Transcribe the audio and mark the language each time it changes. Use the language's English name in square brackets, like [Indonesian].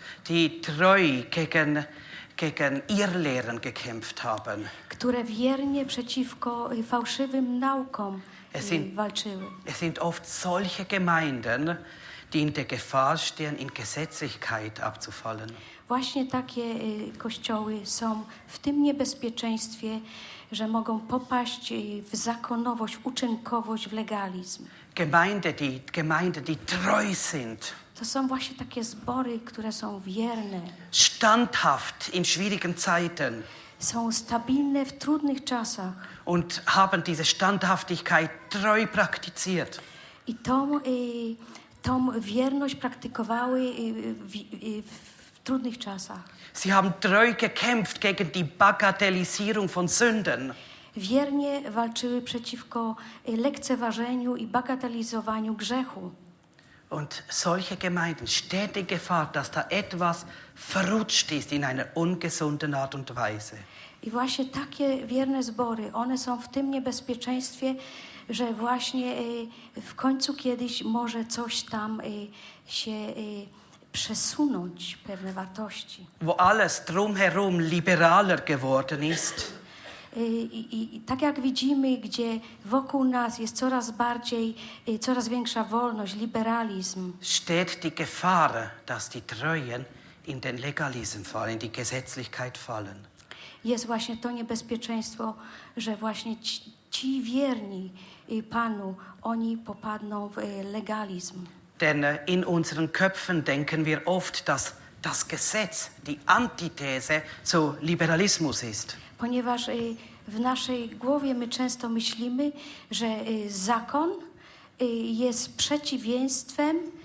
[German] Die treu gegen Irrlehren gekämpft haben. [Polish] Które wiernie przeciwko fałszywym naukom walczyły. [German] Es sind oft solche Gemeinden, die in der Gefahr stehen, in Gesetzlichkeit abzufallen. [Polish] Właśnie takie kościoły są w tym niebezpieczeństwie, że mogą popaść w zakonowość, w uczynkowość, w legalizm. [German] Gemeinde, die treu sind. [Polish] To są właśnie takie zbory, które są wierne. [German] Standhaft in schwierigen Zeiten. [Polish] Są stabilne w trudnych czasach. [German] Und haben diese Standhaftigkeit treu praktiziert. [Polish] I tą wierność praktykowały w trudnych czasach. [German] Sie haben treu gekämpft gegen die Bagatellisierung von Sünden. [Polish] Wiernie walczyły przeciwko lekceważeniu i bagatelizowaniu grzechu. [German] Und solche Gemeinden steht in Gefahr, dass da etwas verrutscht ist in einer ungesunden Art und Weise. [Polish] I właśnie takie wierne zbory, one są w tym niebezpieczeństwie, że właśnie w końcu kiedyś może coś tam się przesunąć, pewne wartości. [German] Wo alles drumherum liberaler geworden ist. [Polish] I tak jak widzimy, gdzie wokół nas jest coraz większa wolność, liberalizm. [German] Steht die Gefahr, dass die Treuen in den Legalism fallen, in die Gesetzlichkeit fallen. [Polish] Jest właśnie to niebezpieczeństwo, że właśnie ci wierni Panu, oni popadną w legalizm. [German] Denn in unseren Köpfen denken wir oft, dass das Gesetz die Antithese zu Liberalismus ist. [Polish] Ponieważ w naszej głowie my często myślimy, że zakon jest przeciwieństwem